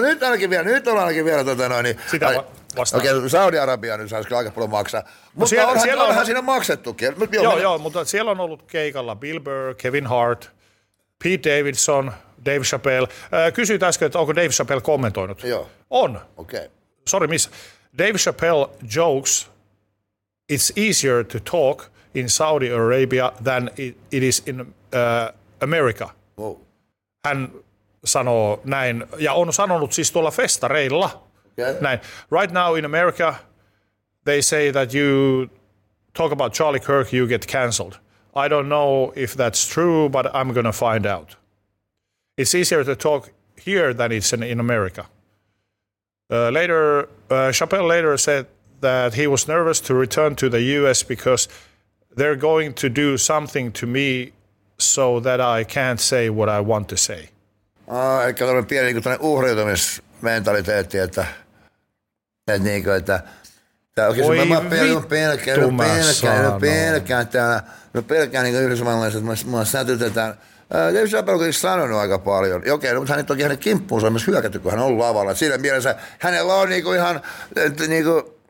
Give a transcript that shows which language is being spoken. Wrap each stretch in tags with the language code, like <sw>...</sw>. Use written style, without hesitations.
<fi>nyt ainakin vielä, sitä vastaan. Okei, Saudi-Arabia nyt saisi aika paljon maksaa. Mutta no siellä onhan siinä maksettukin. Joo, mutta siellä on ollut keikalla Bill Burr, Kevin Hart, Pete Davidson, Dave Chappelle. Kysyit äsken, että onko Dave Chappelle kommentoinut. Joo. On. Okei.</fi> <en>Okay. Sorry, miss. Dave Chappelle jokes, it's easier to talk in Saudi Arabia than it is in America. Wow.</en> <fi>Hän sanoo näin, ja on sanonut siis tuolla festareilla, näin.</fi> <en>Right now in America, they say that you talk about Charlie Kirk, you get cancelled. I don't know if that's true, but I'm going to find out. It's easier to talk here than it's in America. Chappelle later said that he was nervous to return to the U.S. because they're going to do something to me so that I can't say what I want to say.</en> <fi>Ehkä tämmöinen pieni niin kuin uhriutumismentaliteetti, että niin kuin, että tää oikein, oi mä pelkään niin kuin yhdysvallallisesti, että mua sätytetään. Dave Chappelle on kuitenkin sanonut aika paljon. Okei, mutta hän toki hänen kimppuunsa on myös hyökätty, kun hän on ollut lavalla. Siinä mielessä hänellä on niin kuin ihan niin kuin</fi>